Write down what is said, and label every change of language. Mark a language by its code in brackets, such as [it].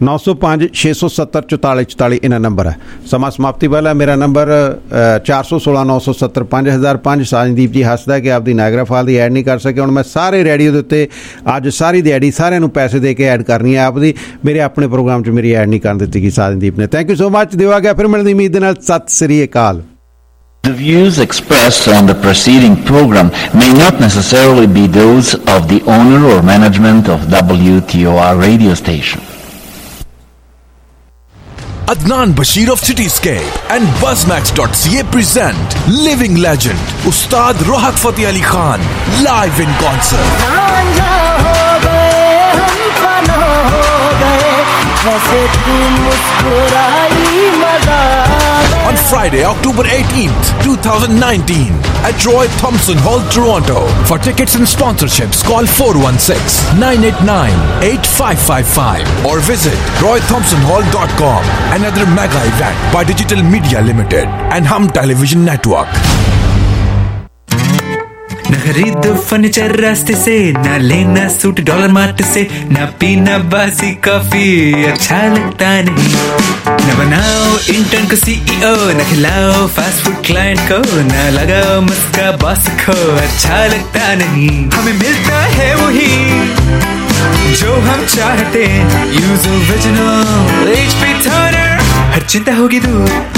[pa] 905-670-4444 ਇਹਨਾਂ ਨੰਬਰ ਹੈ। ਸਮਾਂ ਸਮਾਪਤੀ ਵਾਲਾ ਮੇਰਾ ਨੰਬਰ 416-970-5005। ਸਾਜਨਦੀਪ ਜੀ ਹੱਸਦਾ ਕਿ ਆਪਦੀ ਨਾਇਗਰਾ ਫਾਲ ਦੀ ਐਡ ਨਹੀਂ ਕਰ ਸਕੇ, ਹੁਣ ਮੈਂ ਸਾਰੇ ਰੇਡੀਓ ਦੇ ਉੱਤੇ ਅੱਜ ਸਾਰੀ ਦਿਹਾੜੀ ਸਾਰਿਆਂ ਨੂੰ ਪੈਸੇ ਦੇ ਕੇ ਐਡ ਕਰਨੀ ਹੈ ਆਪਦੀ, ਮੇਰੇ ਆਪਣੇ ਪ੍ਰੋਗਰਾਮ 'ਚ ਮੇਰੀ ਐਡ ਨਹੀਂ ਕਰਨ ਦਿੱਤੀ ਗਈ ਸਾਜਨਦੀਪ ਨੇ। [en] thank you so much, [pa] ਦਿਵਾ ਗਿਆ, ਫਿਰ ਮਿਲਣ ਦੀ ਉਮੀਦ ਦੇ ਨਾਲ, ਸਤਿ ਸ੍ਰੀ ਅਕਾਲ। [en] The views expressed on the preceding program may not necessarily be those of the owner or management of WTOR radio station. Adnan Bashir of Cityscape and Buzzmax.ca present Living Legend, Ustad Rohak Fateh Ali Khan, live in concert. On Friday, October 18th, 2019. at Roy Thompson Hall, Toronto. For tickets and sponsorships, call 416-989-8555 or visit roythompsonhall.com. Another mega event by Digital Media Limited and Hum Television Network. [hi] खरीद furniture रास्ते से ना लेना suit dollar mart से ना पीना बासी coffee अच्छा लगता नहीं ना बनाओ इंटर्न को सीईओ ना खिलाओ फास्ट फूड क्लाइंट को ना लगाओ मस्का बॉस को अच्छा लगता नहीं हमें मिलता है वही जो हम चाहते यूज ओरिजिनल एचपी टोनर हर चिंता होगी दूर